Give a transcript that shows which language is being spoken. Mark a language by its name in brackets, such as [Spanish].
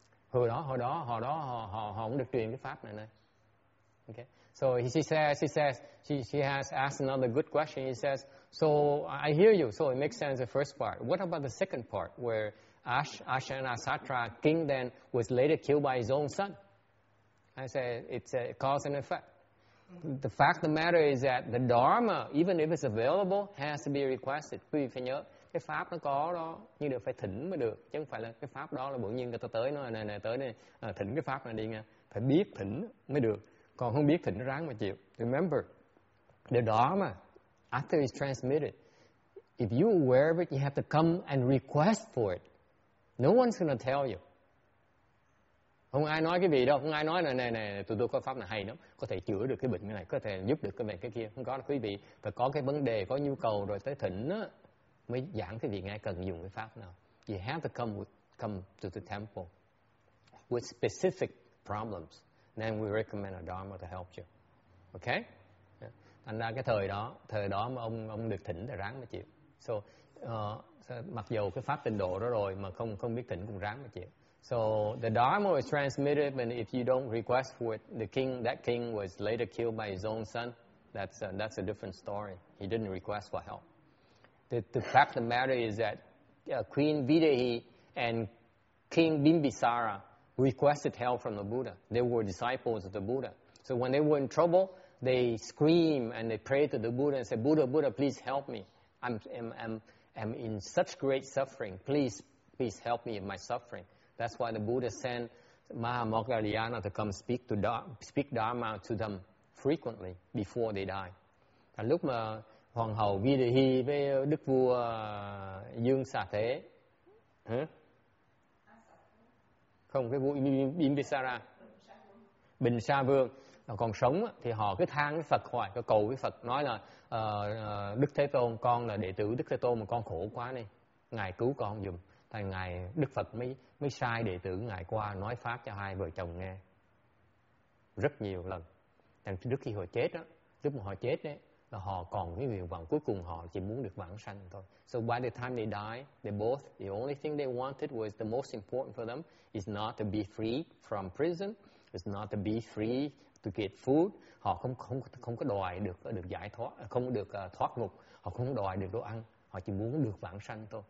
[Vietnamese] Hồi đó họ không được truyền cái pháp này nữa. [English] Okay. So she has asked another good question. He says, so I hear you, so it makes sense the first part. What about the second part where Ashana Satra king then was later killed by his own son? I say it's a cause and effect. The fact of the matter is that the dharma, even if it's available, has to be requested. [Vietnamese] Quý vị phải nhớ, cái pháp nó có đó, nhưng được phải thỉnh mới được. Chứ không phải là cái pháp đó là bỗng nhiên người ta tới nói này tới này, thỉnh cái pháp này đi nghe. Phải biết thỉnh mới được. Còn không biết thỉnh ráng mà chịu. [English] Remember, the dharma, after it's transmitted, if you're aware of it, you have to come and request for it. No one's going to tell you. [Vietnamese] Không ai nói cái gì đâu, không ai nói này, tôi có pháp này hay lắm, có thể chữa được cái bệnh này, có thể giúp được cái bệnh cái kia. Không có đâu quý vị, phải có cái vấn đề, có nhu cầu rồi tới thỉnh á, mới giảng cái gì ngay cần dùng cái pháp nào. [English] You have to come to the temple with specific problems, then we recommend a dharma to help you. Okay? [Vietnamese] Thành ra cái thời đó mà ông được thỉnh thì ráng mà chịu. So mặc dù cái pháp tịnh độ đó rồi mà không biết thỉnh cũng ráng mà chịu. [English] So the dharma was transmitted, and if you don't request for it, that king was later killed by his own son. That's a different story. He didn't request for help. The fact of the matter is that Queen Videhi and King Bimbisara requested help from the Buddha. They were disciples of the Buddha. So when they were in trouble, they scream and they pray to the Buddha and say, "Buddha, Buddha, please help me. I'm in such great suffering. Please help me in my suffering." That's why the Buddha sent Mahamoggallana to come speak dharma to them frequently before they die. And [Vietnamese] lúc mà Hoàng hậu Videhi với Đức vua Dương Xà Thế. Không, cái vua Bimbisara. Bình Sa Vương còn sống thì họ cứ than với Phật hoài, cầu với Phật nói là Đức Thế Tôn, con là đệ tử Đức Thế Tôn mà con khổ quá nên Ngài cứu con dùm. Thì Ngài Đức Phật mới sai đệ tử Ngài qua nói pháp cho hai vợ chồng nghe rất nhiều lần. Thằng Đức khi họ chết đó, lúc mà họ chết đấy là họ còn cái nguyện vọng cuối cùng, họ chỉ muốn được vãng sanh thôi. [English] So by the time they die, they both, the only thing they wanted was the most important for them is not to be free from prison, is not to be free to get food. [Vietnamese] Họ không có đòi được giải thoát, không được thoát ngục, họ không đòi được đồ ăn, họ chỉ muốn được vãng sanh thôi.